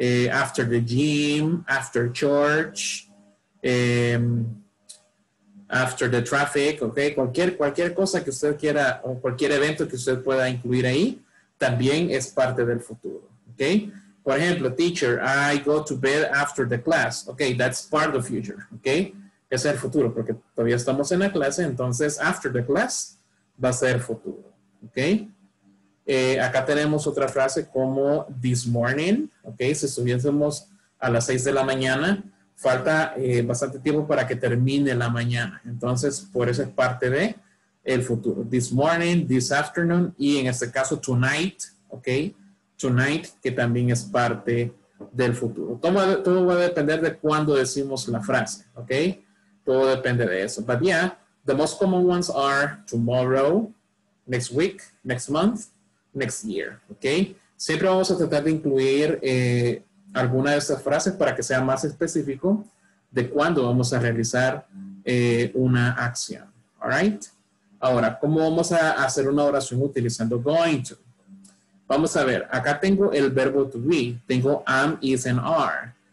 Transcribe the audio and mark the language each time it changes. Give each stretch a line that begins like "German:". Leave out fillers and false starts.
English: After the gym, after church, after the traffic, ok.
Spanish: Cualquier cosa que usted quiera o cualquier evento que usted pueda incluir ahí, también es parte del futuro, ok. Por ejemplo,
English: teacher, I go to bed after the class, ok. That's part of future,
Spanish: ok. Es el futuro porque todavía estamos en la clase, entonces
English: after the class
Spanish: va a ser futuro, ok. Acá tenemos otra frase como this morning, ok. Si estuviésemos a las 6 de la mañana, falta bastante tiempo para que termine la mañana. Entonces, por eso es parte de el futuro.
English: This morning, this afternoon
Spanish: y en este caso tonight, ok. Tonight, que también es parte del futuro. Todo va a depender de cuándo decimos la frase, ok. Todo depende de eso.
English: But yeah, the most common ones are tomorrow, next week, next month. Next year, ¿ok?
Spanish: Siempre vamos a tratar de incluir alguna de estas frases para que sea más específico de cuándo vamos a realizar una acción, ¿all right? Ahora, ¿cómo vamos a hacer una oración utilizando going to? Vamos a ver, acá tengo el verbo to be, tengo am, is, and are.